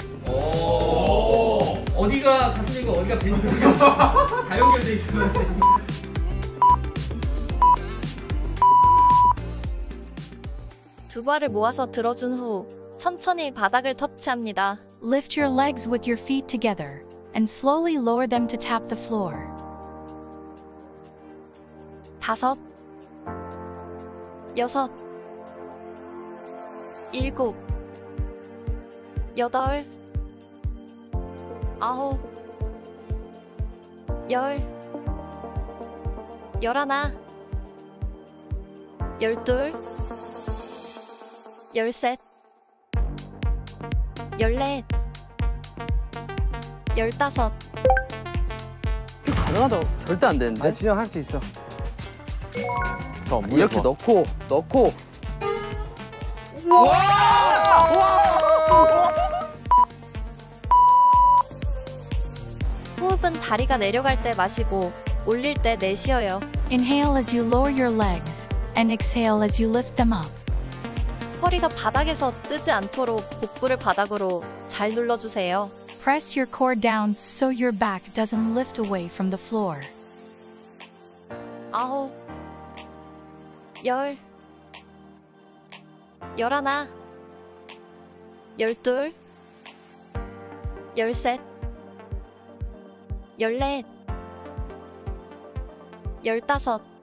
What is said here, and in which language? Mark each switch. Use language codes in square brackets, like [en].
[ko] 오, 어디가 가슴이고 어디가 배인지 다 연결돼 있어요 지금. 두 발을 모아서 들어준 후 천천히 바닥을 터치합니다. [en] Lift your legs with your feet together and slowly lower them to tap the floor. [ko] 다섯, 여섯, 일곱, 여덟, 아홉, 열, 열하나, 열둘, 열셋, 열넷, 열다섯. 이거 가능하다고? 절대 안 되는데? 아니, 진영 할 수 있어. 더, 아니, 이렇게 더. 넣고, 넣고. 호흡은 다리가 내려갈 때 마시고 올릴 때 내쉬어요. [en] Inhale as you lower your legs and exhale as you lift them up. [ko] 허리가 바닥에서 뜨지 않도록 복부를 바닥으로 잘 눌러주세요. [en] Press your core down so your back doesn't lift away from the floor. [ko] 아홉, 열, 열하나, 열둘, 열셋, 열넷, 열다섯.